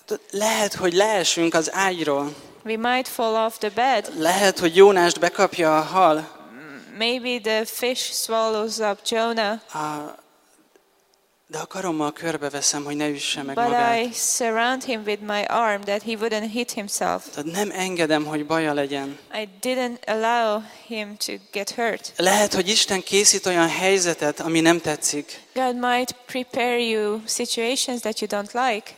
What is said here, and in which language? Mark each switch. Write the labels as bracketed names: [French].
[Hungarian] lehet, hogy leesünk az ágyról. [English] We might fall off the bed. [Hungarian] Lehet, hogy Jónást bekapja a hal. [English] Maybe the fish swallows up Jonah. [Hungarian] De a karommal körbeveszem, hogy ne üsse meg [English] but [Hungarian] magát. [English] I surround him with my arm that he wouldn't hit himself. [Hungarian] Tehát nem engedem, hogy baja legyen. [English] I didn't allow him to get hurt. [Hungarian] Lehet, hogy Isten készít olyan helyzetet, ami nem tetszik. [English] God might prepare you situations that you don't like.